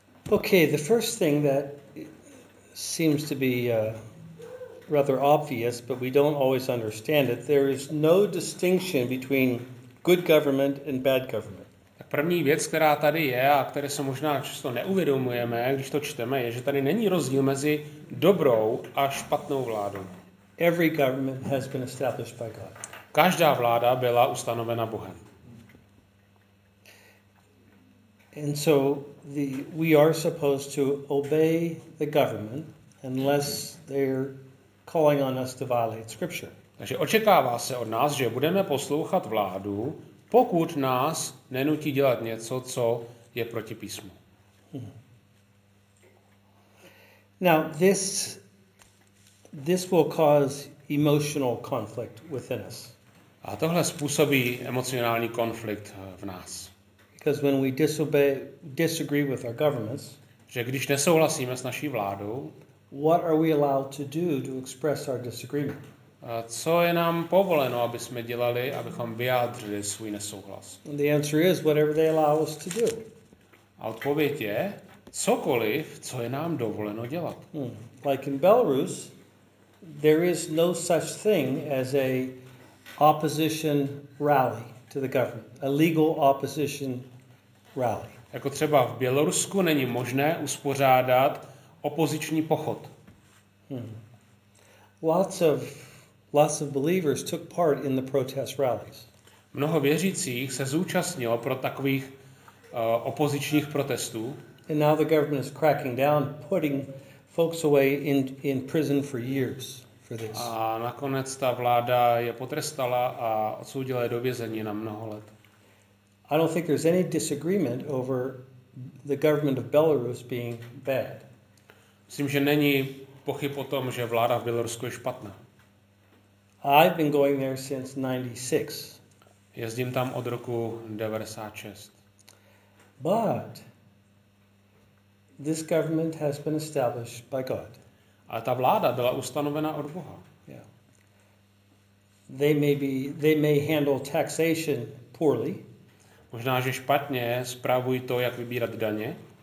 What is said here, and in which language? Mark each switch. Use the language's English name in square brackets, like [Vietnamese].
[English] Okay, the first thing that seems to be rather obvious, but we don't always understand it, there is no distinction between good government and bad government. [Czech] Tak první věc, která tady je a které se možná často neuvědomujeme, když to čteme, je, že tady není rozdíl mezi dobrou a špatnou vládou. [English] Every government has been established by God. [Czech] Každá vláda byla ustanovena Bohem. [English] And so we are supposed to obey the government unless they're calling on us to violate scripture. [Czech] Takže očekává se od nás, že budeme poslouchat vládu, pokud nás nenutí dělat něco, co je proti písmu. [English] Now this will cause emotional conflict within us. [Czech] A tohle způsobí emocionální konflikt v nás. [English] Because when we disagree with our governments, [Czech] že když nesouhlasíme s naší vládou, [English] what are we allowed to do to express our disagreement? [Czech] Co je nám povoleno, aby jsme dělali, abychom vyjádřili svůj nesouhlas? [English] And the answer is whatever they allow us to do. [Czech] A odpověď je cokoliv, co je nám dovoleno dělat. [English] Like in Belarus, there is no such thing as a opposition rally to the government, a legal opposition rally. [Czech] Jako třeba v Bělorusku není možné uspořádat opoziční pochod. [English] Lots of believers took part in the protest rallies. [Czech] Mnoho věřících se zúčastnilo pro takových opozičních protestů. [English] And now the government is cracking down, putting folks away in prison for years. [Czech] A nakonec ta vláda je potrestala a odsoudila je do vězení na mnoho let. [English] I don't think there's any disagreement over the government of Belarus being bad. [Czech] Myslím, že není pochyb o tom, že vláda v Bělorusku je špatná. [English] I've been going there since 96. [Czech] Jezdím tam od roku 96. [English] But this government has been established by God. [Czech] A ta vláda byla ustanovena od Boha. [English] Yeah. They may handle taxation poorly. [Czech] Možná že špatně spravují to, jak vybírat daně.